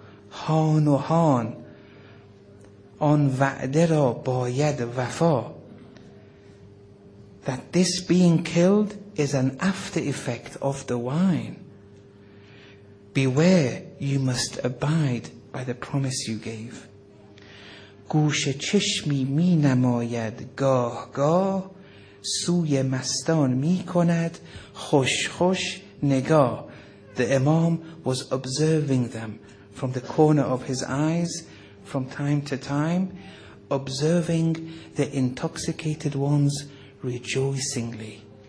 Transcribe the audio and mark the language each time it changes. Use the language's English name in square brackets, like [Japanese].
[Persian] Han u han an va'de ra bayad vafa. [English] That this being killed is an after effect of the wine. Beware, you must abide by the promise you gave. [Persian] گوش چشمی می نماید گاه گاه سوی مستان می کند خوش خوش نگاه. [English] The Imam was observing them from the corner of his eyes from time to time, observing the intoxicated ones rejoicingly.